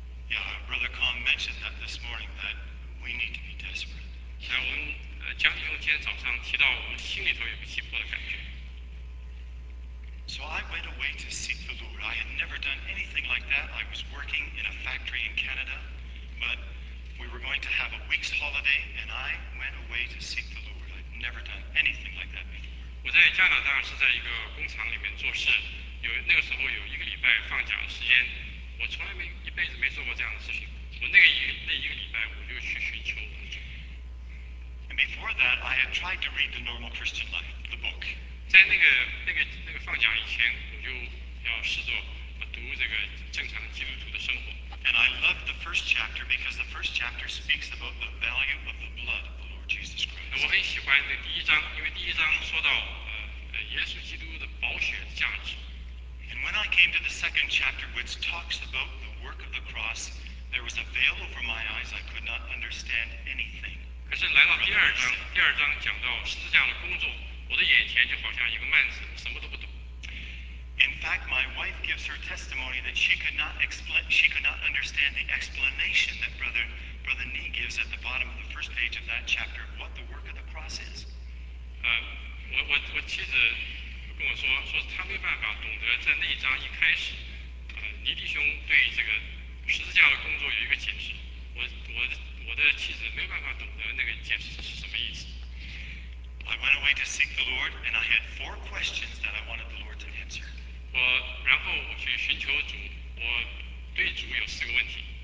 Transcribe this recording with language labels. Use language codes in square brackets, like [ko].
[en] Yeah, Brother Kong mentioned that this morning that we need to be desperate. [zh] 在我们江弟兄今天早上提到，我们心里头有个急迫的感觉。 [en] So I went away to seek the Lord. I had never done anything like that. I was working in a factory in Canada, but we were going to have a week's holiday, and I went away to seek the Lord. I'd never done anything like that before. [zh] 我在加拿大是在一个工厂里面做事，那个时候有一个礼拜放假的时间。我从来没一辈子没做过这样的事情。我那一个礼拜，我就去寻求。 [en] And before that, I had tried to read The Normal Christian Life, the book. [zh] 在那个放假以前，我就要试着读这个正常基督徒的生活。 [en] And I loved the first chapter because the first chapter speaks about the value of the blood of the Lord Jesus Christ. [zh] 我很喜欢那第一章，因为第一章说到耶稣基督的宝血的价值。 [en] And when I came to the second chapter, which talks about the work of the cross, there was a veil over my eyes. I could not understand anything. [zh] 可是来到第二章讲到十字架的工作，我的眼前就好像一个幔子，什么都不懂。 [en] In fact, my wife gives her testimony that she could not understand the explanation that Brother Nee gives at the bottom of the first page of that chapter, what the work of the cross is. [zh] 我妻子跟我说，说他没办法懂得在那一章一开始，尼弟兄对这个十字架的工作有一个解释，我的妻子没办法懂得那个解释是什么意思。 [en] I went away to seek the Lord, and I had four questions that I wanted the Lord to answer. [zh] 然后我去寻求主，我对主有四个问题。